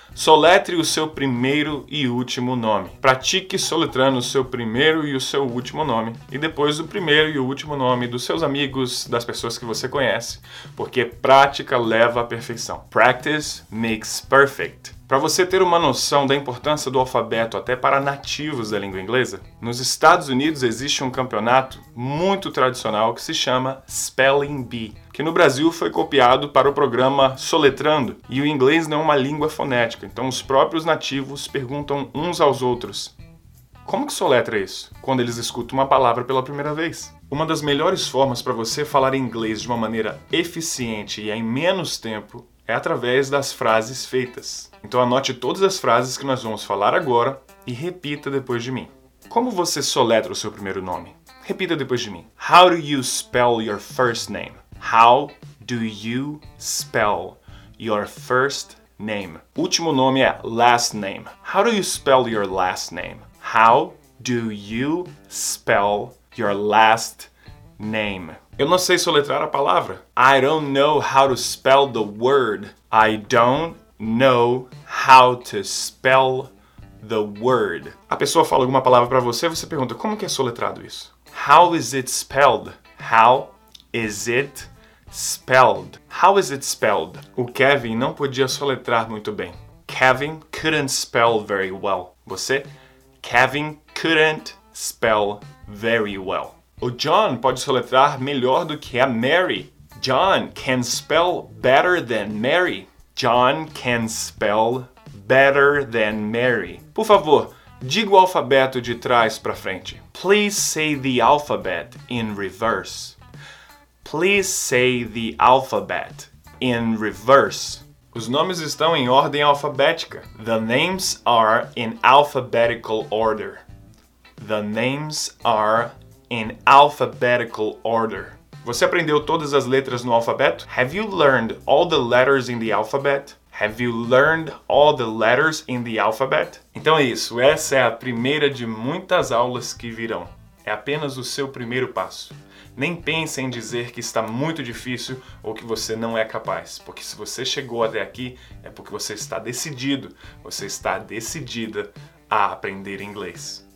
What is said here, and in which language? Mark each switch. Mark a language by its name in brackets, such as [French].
[Portuguese] Soletre o seu primeiro e último nome. Pratique soletrando o seu primeiro e o seu último nome. E depois o primeiro e o último nome dos seus amigos, das pessoas que você conhece. Porque prática leva à perfeição. [English] Practice makes perfect. [Portuguese] Para você ter uma noção da importância do alfabeto até para nativos da língua inglesa, nos Estados Unidos existe um campeonato muito tradicional que se chama Spelling Bee, que no Brasil foi copiado para o programa Soletrando, e o inglês não é uma língua fonética, então os próprios nativos perguntam uns aos outros: como que soletra isso? Quando eles escutam uma palavra pela primeira vez. Uma das melhores formas para você falar inglês de uma maneira eficiente e em menos tempo é através das frases feitas. Então anote todas as frases que nós vamos falar agora e repita depois de mim. Como você soletra o seu primeiro nome? Repita depois de mim. [English] How do you spell your first name? How do you spell your first name? [Portuguese] Último nome é [English] last name. How do you spell your last name? How do you spell your last name? [Portuguese] Eu não sei soletrar a palavra. [English] I don't know how to spell the word. I don't know how to spell the word. [Portuguese] A pessoa fala alguma palavra para você, você pergunta: como que é soletrado isso? [English] How is it spelled? How is it spelled? How is it spelled? [Portuguese] O Kevin não podia soletrar muito bem. [English] Kevin couldn't spell very well. [Portuguese] Você? [English] Kevin couldn't spell very well. [Portuguese] O John pode soletrar melhor do que a Mary. [English] John can spell better than Mary. John can spell better than Mary. [Portuguese] Por favor, diga o alfabeto de trás para frente. [English] Please say the alphabet in reverse. Please say the alphabet in reverse. [Portuguese] Os nomes estão em ordem alfabética. [English] The names are in alphabetical order. The names are in alphabetical order. [Portuguese] Você aprendeu todas as letras no alfabeto? [English] Have you learned all the letters in the alphabet? Have you learned all the letters in the alphabet? [Portuguese] Então é isso. Essa é a primeira de muitas aulas que virão. É apenas o seu primeiro passo. Nem pense em dizer que está muito difícil ou que você não é capaz. Porque se você chegou até aqui, é porque você está decidido. Você está decidida a aprender inglês.